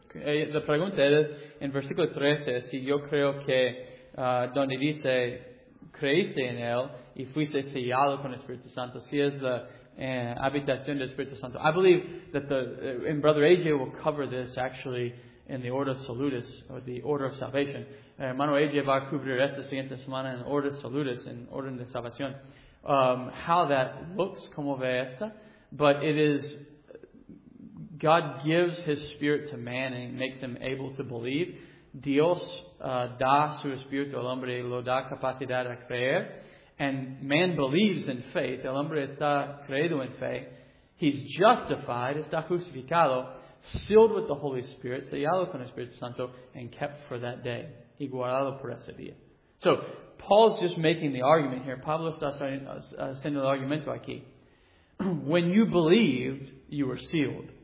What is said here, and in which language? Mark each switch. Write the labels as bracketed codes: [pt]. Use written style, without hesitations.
[es] The pregunta es, en versículo 13, si yo creo que donde dice, creíste en él y fuiste sellado con el Espíritu Santo, si es la habitación del Espíritu Santo. [en] I believe that and Brother AJ will cover this actually in the Ordo Salutis, or the Order of Salvation. [es] Hermano AJ va a cubrir esta siguiente semana en Ordo Salutis, en Orden de Salvación. [en] How that looks, [es] como ve esta. [en] But it is, God gives His Spirit to man and makes him able to believe. [es] Dios da su Espíritu al hombre y lo da capacidad a creer. [en] And man believes in faith. [es] El hombre está creído en fe. [en] He's justified, [es] está justificado, [en] sealed with the Holy Spirit, [es] sellado con el Espíritu Santo, [en] and kept for that day. [es] Y guardado por ese día. [en] So, Paul's just making the argument here. [es] Pablo está haciendo el argumento aquí. [en] When you believed, you were sealed.